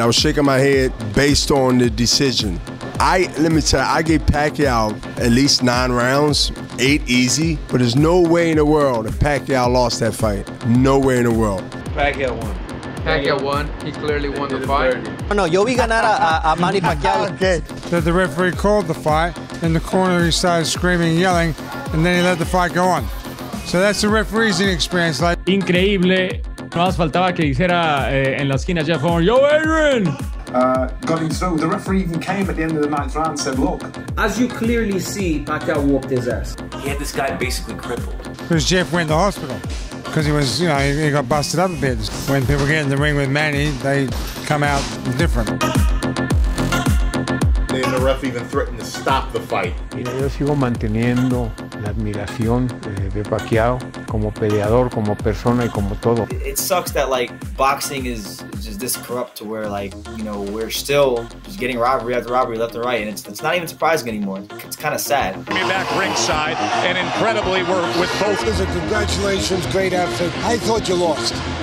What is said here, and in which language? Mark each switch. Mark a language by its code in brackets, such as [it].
[en] I was shaking my head based on the decision. Let me tell you, I gave Pacquiao at least 9 rounds, 8 easy, but there's no way in the world that Pacquiao lost that fight. No way in the world. Pacquiao won. Pacquiao won. He clearly won the fight. [es] No, yo vi ganar a Manny Pacquiao. [en] The referee called the fight, and the corner he started screaming and yelling, and then he let the fight go on. So that's the referee's inexperience. Like. [es] Increíble. No más faltaba que dijera en la esquina Jeff Horn, yo, Adrian! [en] Got him through. The referee even came at the end of the ninth round and said, look. As you clearly see, Pacquiao whooped his ass. He had this guy basically crippled. Because Jeff went to hospital. Because he was, he got busted up a bit. When people get in the ring with Manny, they come out different. And the ref even threatened to stop the fight. [es] Mira, yo sigo manteniendo la admiración de Pacquiao como peleador, como persona y como todo. [en] It sucks that, like, boxing is just this corrupt to where, like, you know, we're still just getting robbery after robbery left and right, and it's not even surprising anymore. It's kind of sad. We're back ringside, and incredibly, we're with both. This is a congratulations, great effort. I thought you lost.